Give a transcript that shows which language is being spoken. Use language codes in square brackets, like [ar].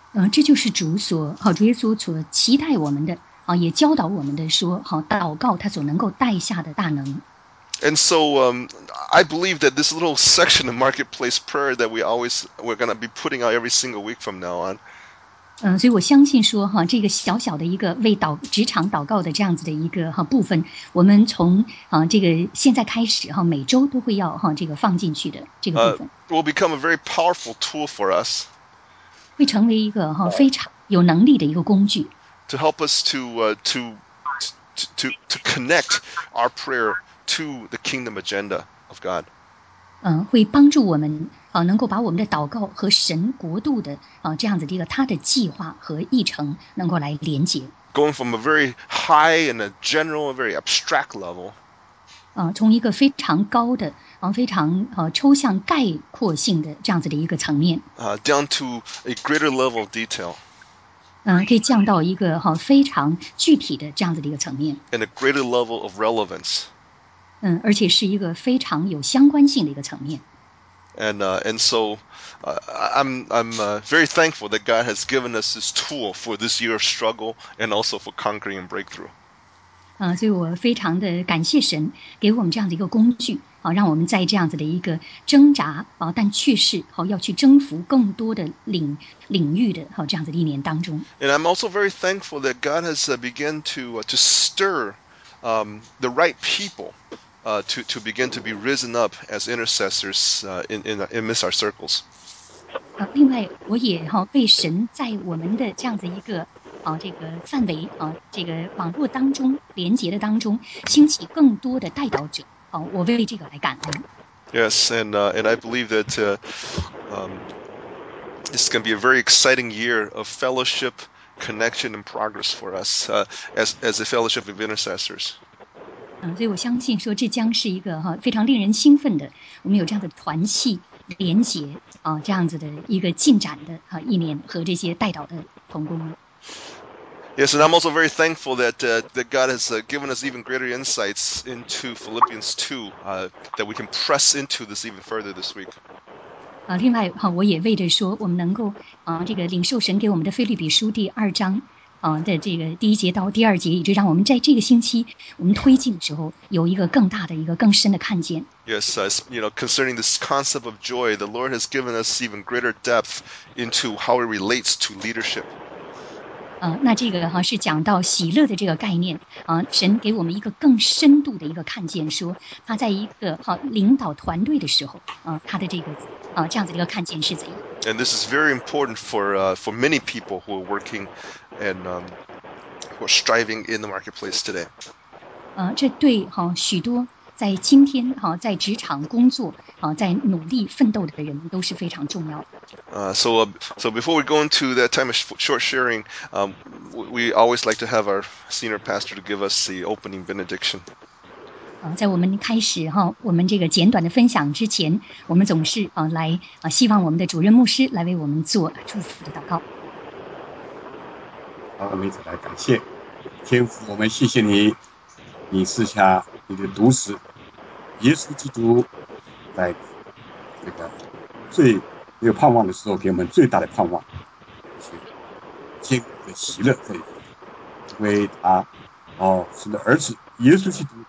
[zh] 这就是主耶稣所期待我们的也教导我们的说祷告他所能够带下的大能。 [en] And so I believe that this little section of marketplace prayer that we're going to be putting out every single week from now on. [zh] 所以我相信说这个小小的一个为职场祷告的这样子的一个部分，我们从这个现在开始每周都会要这个放进去的这个部分。 [en] Will become a very powerful tool for us. [zh] 会成为一个非常有能力的一个工具。 [en] To help us to connect our prayer to the kingdom agenda of God. [zh] 会帮助我们能够把我们的祷告和神国度的这样子的一个他的计划和议程能够来连接。 [en] going from a very high and a general, a very abstract level. [zh] 从一个非常高的，非常抽象概括性的这样子的一个层面。 [en] Down to a greater level of detail. [zh] 可以降到一个非常具体的这样子的一个层面。 [en] And a greater level of relevance. [zh] 而且是一个非常有相关性的一个层面。 [en] And so, I'm very thankful that God has given us this tool for this year of struggle and also for conquering and breakthrough. [zh] 所以我非常的感谢神给我们这样的一个工具，让我们在这样子的一个挣扎，但却是要去征服更多的领域的这样子的一年当中。 [en] And I'm also very thankful that God has begun to stir the right people. To begin to be risen up as intercessors in our circles. [zh] 另外我也被神在我们的这样子一个这个范围这个网络当中连接的当中兴起更多的代祷者我为这个来感恩。 [en] Yes, and I believe that this is going to be a very exciting year of fellowship, connection, and progress for us as a fellowship of intercessors. [zh] 所以我相信说这将是一个非常令人兴奋的我们有这样的团契连结这样子的一个进展的一年和这些代祷的同工。 [en] Yes, and I'm also very thankful that God has given us even greater insights into Philippians 2, that we can press into this even further this week. [zh] 另外我也为着说我们能够这个领受神给我们的腓立比书第二章。的这个第一节到第二节，以致让我们在这个星期我们推进的时候，有一个更大的一个更深的看见。 [en] Yes, concerning this concept of joy, the Lord has given us even greater depth into how it relates to leadership. [zh] 那这个是讲到喜乐的这个概念神给我们一个更深度的一个看见，说他在一个领导团队的时候他的这个这样子的一个看见是怎样。 [en] And this is very important for many people who are working and who are striving in the marketplace today. [zh] 这对许多在今天在职场工作在努力奋斗的人都是非常重要。 [en] So before we go into that time of short sharing, we always like to have our senior pastor to give us the opening benediction. [zh] 在我们开始我们这个简短的分享之前，我们总是来希望我们的主任牧师来为我们做祝福的祷告。好，我们一起来感谢天父，我们谢谢你，你赐下你的独子耶稣基督，在这个最没有盼望的时候给我们最大的盼望，是天父的喜乐可以，因为他是你的儿子耶稣基督。